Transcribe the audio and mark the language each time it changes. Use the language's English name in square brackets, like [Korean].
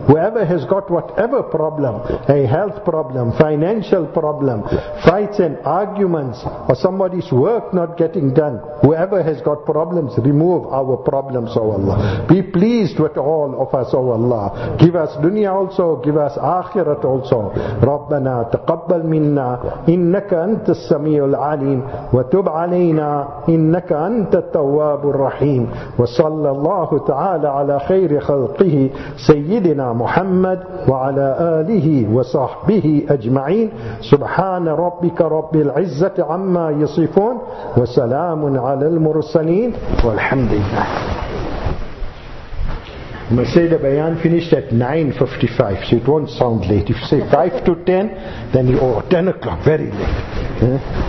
[English] Whoever has got whatever problem, a health problem, financial problem, fights and arguments, or somebody's work not getting done, whoever has got problems, remove our problems, oh Allah. Be pleased with all of us, oh Allah. Give us dunya also, give us akhirat also. [Arabic] Rabbana taqabbal minna, innaka antas samiul alim, wa tub alayna, إنك أنت التواب الرحيم وصلى الله تعالى على خير خلقه سيدنا محمد وعلى آله وصحبه أجمعين سبحان ربك رب العزة عما يصفون وسلام على المرسلين والحمد لله. [English] Masayda Bayan finished at 9:55, so it won't sound late. If you say 5 to 10, then you, oh, 10 o'clock, very late.